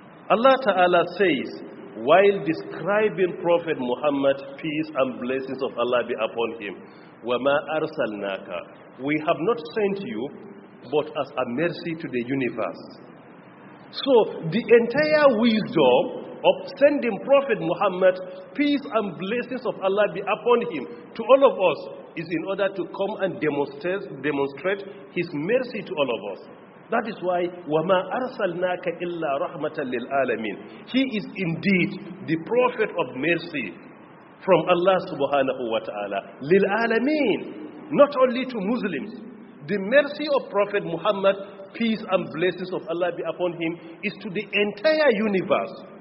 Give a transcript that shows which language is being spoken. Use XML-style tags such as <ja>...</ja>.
<en>Allah Ta'ala says, while describing Prophet Muhammad, peace and blessings of Allah be upon him,</en> <ar>وَمَا أَرْسَلْنَاكَ,</ar> <en>we have not sent you, but as a mercy to the universe. So, the entire wisdom of sending Prophet Muhammad, peace and blessings of Allah be upon him, to all of us, is in order to come and demonstrate his mercy to all of us. That is why,</en> <ar>وَمَا أَرْسَلْنَاكَ إِلَّا رَحْمَةً لِلْآلَمِينَ.</ar> <en>He is indeed the prophet of mercy from Allah subhanahu wa ta'ala. لِلْآلَمِينَ, not only to Muslims. The mercy of Prophet Muhammad, peace and blessings of Allah be upon him, is to the entire universe.</en>